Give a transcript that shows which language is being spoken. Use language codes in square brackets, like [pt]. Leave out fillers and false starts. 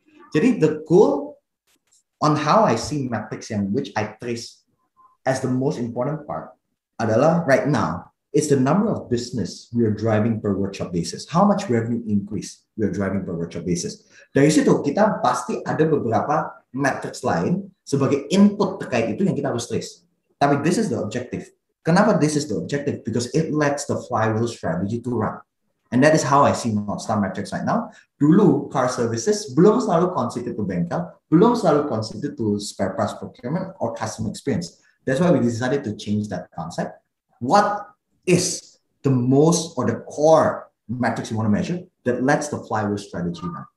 [id] Jadi [en] the goal on how I see metrics and which I trace as the most important part adalah right now, it's the number of business we are driving per workshop basis. How much revenue increase we are driving per workshop basis. [id] Dari situ, kita pasti ada beberapa metrics lain sebagai input terkait itu yang kita harus trace. [en] Tapi this is the objective. Kenapa this is the objective? Because it lets the flywheel strategy to run. And that is how I see North Star metrics right now. Dulu, car services [id] belum selalu constitute to bengkel, [en] belum selalu constitute to spare parts procurement or customer experience. That's why we decided to change that concept. What is the most or the core metrics you want to measure that lets the flywheel strategy run?